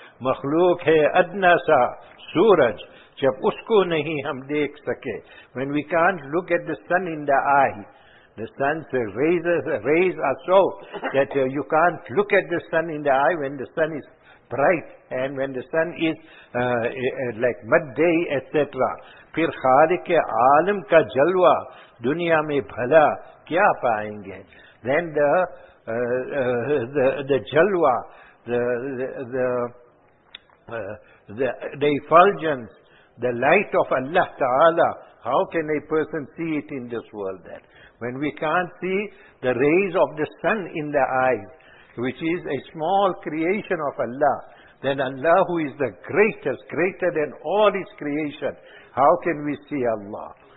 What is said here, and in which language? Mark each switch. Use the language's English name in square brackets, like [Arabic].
[Urdu] مخلوق ہے ادنا سا سورج جب اس کو نہیں ہم دیکھ سکے. [English] When we can't look at the sun in the eye, the sun's rays are so that you can't look at the sun in the eye when the sun is bright and when the sun is like midday, etc. [Urdu] پھر خالق عالم کا جلوہ دنیا میں بھلا کیا پائیں گے. [English] Then the effulgence, the light of Allah Ta'ala, how can a person see it in this world then? When we can't see the rays of the sun in the eyes, which is a small creation of Allah, then Allah, who is the greatest, greater than all His creation, how can we see Allah?